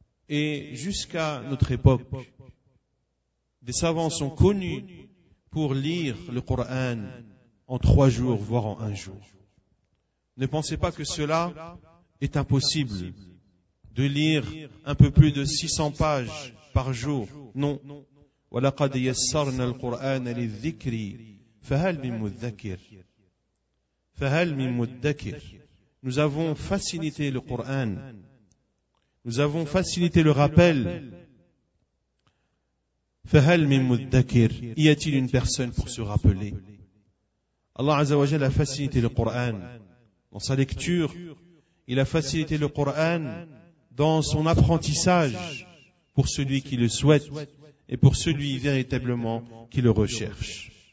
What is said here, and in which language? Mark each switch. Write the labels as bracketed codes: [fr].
[fr] Et jusqu'à notre époque, des savants sont connus pour lire le Coran en 3 jours, voire en 1 jour. Ne pensez pas que cela est impossible, de lire un peu plus de 600 pages par jour. Non. [ar] وَلَقَدْ يَسَّرْنَا الْقُرْآنَ لِلذِّكْرِ فَهَلْ مِنْ مُدَّكِرِ فَهَلْ مِنْ مُدَّكِرِ [fr] Nous avons facilité le Coran. Nous avons facilité le rappel. [ar] فَهَلْ مِنْ مُدَّكِرِ [fr] Y a-t-il une personne pour se rappeler? Allah Azza wa Jalla a facilité le Coran dans sa lecture. Il a facilité le Coran dans son apprentissage pour celui qui le souhaite et pour celui véritablement qui le recherche.